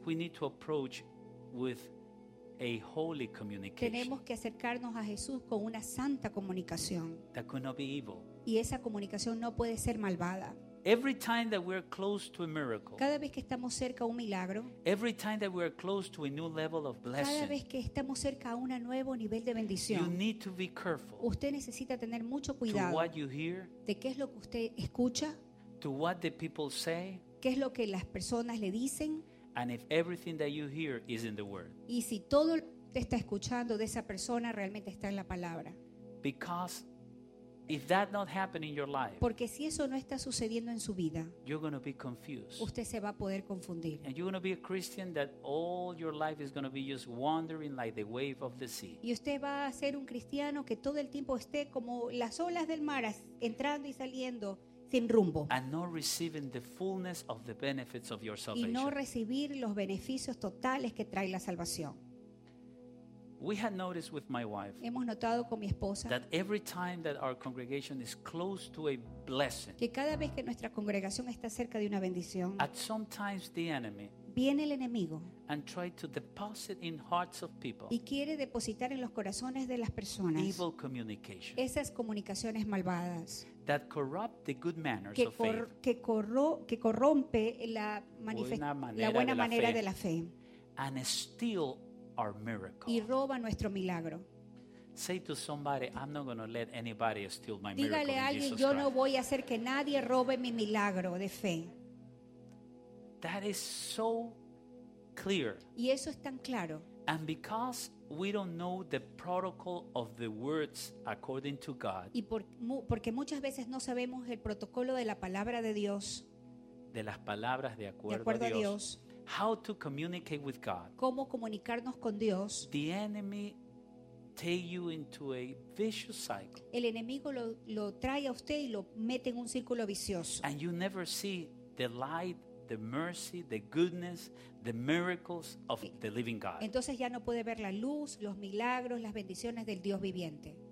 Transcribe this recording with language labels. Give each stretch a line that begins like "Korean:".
English: We need to approach with a holy communication.
Spanish: Tenemos que acercarnos a Jesús con una santa comunicación.
English: That could not be evil.
Spanish: Y esa comunicación no puede ser malvada.
English: Every time that we are close to a miracle.
Spanish: Cada vez que estamos cerca a un milagro.
English: Every time that we are close to a new level of blessing.
Spanish: Cada vez que estamos cerca a un nuevo nivel de bendición.
English: You need to be careful.
Spanish: Usted necesita tener mucho cuidado.
English: To what you hear.
Spanish: De qué es lo que usted escucha.
English: To what the people say.
Spanish: Qué es lo que las personas le dicen.
English: And if everything that you hear is in the word.
Spanish: Y si todo lo que usted está escuchando de esa persona realmente está en la palabra.
English: Because if that not happen in your life,
Spanish: porque si eso no está sucediendo en su vida,
English: you're going to be confused.
Spanish: Usted se va a poder confundir.
English: And you're going to be a Christian that all your life is going to be just wandering like the wave of the sea.
Spanish: Y usted va a ser un cristiano que todo el tiempo esté como las olas del mar, entrando y saliendo sin rumbo.
English: And not receiving the fullness of the benefits of your salvation.
Spanish: Y no recibir los beneficios totales que trae la salvación.
English: We had noticed with my wife.
Spanish: Hemos notado con mi esposa.
English: That every time that our congregation is close to a blessing.
Spanish: Que cada vez que nuestra congregación está cerca de una bendición.
English: At sometimes the enemy.
Spanish: Viene el enemigo.
English: And try to deposit in hearts of people.
Spanish: Y quiere depositar en los corazones de las personas.
English: Evil communication.
Spanish: Esas comunicaciones malvadas.
English: That corrupt the good manners
Spanish: que
English: of faith.
Spanish: Que corrompe la buena manera de la fe.
English: And steal our miracle.
Spanish: Y roba nuestro milagro.
English: Say to somebody, I'm not going to let anybody steal my miracle.
Spanish: Dígale a alguien, yo no voy a hacer que nadie robe mi milagro de fe.
English: That is so clear.
Spanish: Y eso es tan claro.
English: And because we don't know the protocol of the words according to God.
Spanish: Y porque muchas veces no sabemos el protocolo de la palabra de Dios. De las palabras de acuerdo a Dios.
English: How to communicate with God.
Spanish: Cómo comunicarnos con Dios.
English: The enemy take you into a vicious cycle.
Spanish: El enemigo lo trae a usted y lo mete en un círculo vicioso.
English: And you never see the light, the mercy, the goodness, the miracles of the living God.
Spanish: Entonces ya no puede ver la luz, los milagros, las bendiciones del Dios viviente.